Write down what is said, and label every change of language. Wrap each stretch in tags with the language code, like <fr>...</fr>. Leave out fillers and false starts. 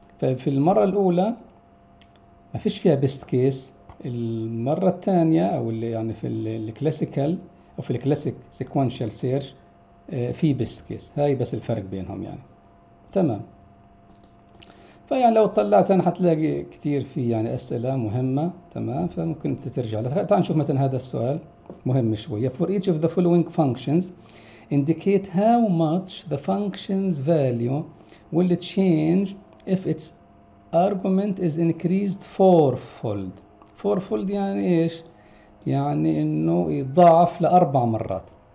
<ar>ففي المره الاولى ما فيش فيها بيست كيس، المره الثانيه او اللي يعني في الكلاسيكال او في الكلاسيك سيكوينشال سيرش في بيست كيس، هاي بس الفرق بينهم يعني، تمام. فيعني لو طلعت انا حتلاقي كثير في يعني اسئله مهمه، تمام، فممكن ترجع لها. تعال نشوف مثلا هذا السؤال مهم شويه.</ar> <en>For each of the following functions indicate how much the function's value will change if its argument is increased fourfold.</en> <ar>Fourfold يعني ايش؟ يعني انه يضاعف لاربع مرات.</ar>